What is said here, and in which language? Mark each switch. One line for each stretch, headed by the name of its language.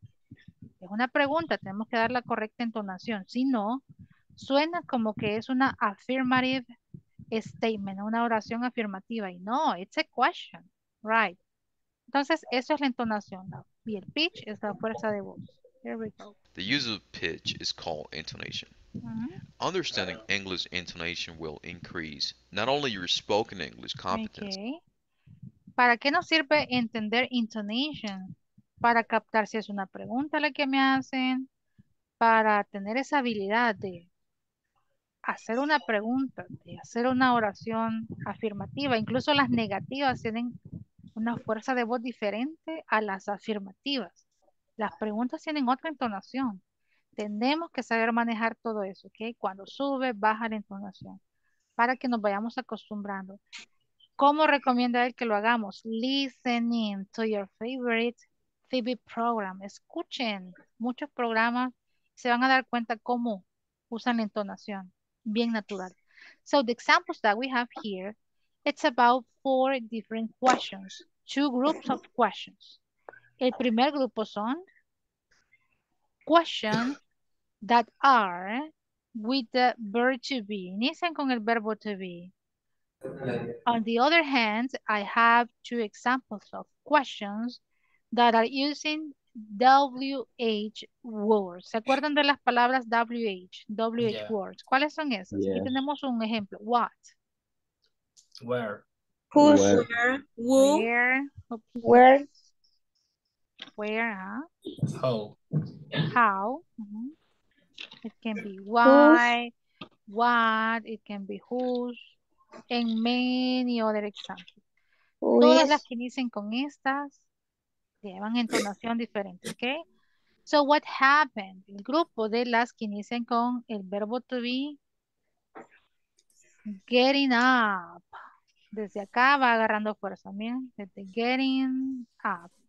Spanish: Es una pregunta, tenemos que dar la correcta entonación. Si no, suena como que es una
English: affirmative statement,
Spanish: una oración afirmativa. Y no,
English: it's a question, right?
Spanish: Entonces, eso es la entonación. Y el pitch es la fuerza de voz.
English: Here we go. The use of pitch is called intonation. Mm-hmm. Understanding English intonation will increase not only your spoken English competence. Okay.
Spanish: ¿Para qué nos sirve entender intonation? Para captar si es una pregunta la que me hacen, para tener esa habilidad de hacer una pregunta, de hacer una oración afirmativa. Incluso las negativas tienen una fuerza de voz diferente a las afirmativas. Las preguntas tienen otra entonación. Tenemos que saber manejar todo eso, ¿ok? Cuando sube, baja la entonación, para que nos vayamos acostumbrando. ¿Cómo recomienda él que lo hagamos?
English: Listening to your favorite TV program.
Spanish: Escuchen muchos programas, se van a dar cuenta cómo usan la entonación, bien natural.
English: So the examples that we have here, it's about four different questions, two groups of questions.
Spanish: El primer grupo son
English: questions that are with the verb to be.
Spanish: Inician con el verbo to be.
English: On the other hand, I have two examples of questions that are using WH words.
Spanish: ¿Se acuerdan de las palabras WH? WH yeah. Words. ¿Cuáles son esas? Yeah. Aquí tenemos un ejemplo. What?
English: Where? Who's where? Who? Where? Oops. Where? Where, huh? How? How? Mm-hmm. It can be why, who's? What, it can be whose, and many other examples. Who Todas is?
Spanish: Las que inician con estas llevan entonación diferente, ¿ok?
English: So what happened?
Spanish: El grupo de las que inician con el verbo to be, getting up. Desde acá va agarrando fuerza, miren, desde getting up.